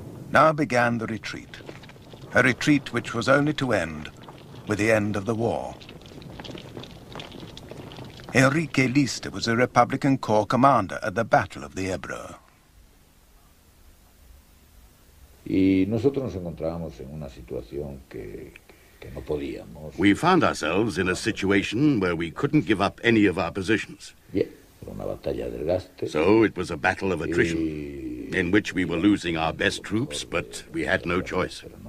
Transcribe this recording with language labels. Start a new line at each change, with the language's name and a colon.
English: Now began the retreat, a retreat which was only to end with the end of the war. Enrique Lista was a Republican corps commander at the Battle of the Ebro.
Spanish: Y nosotros nos encontrábamos en una situación que...
English: We found ourselves in a situation where we couldn't give up any of our positions. So it was a battle of attrition, in which we were losing our best troops, but we had no choice.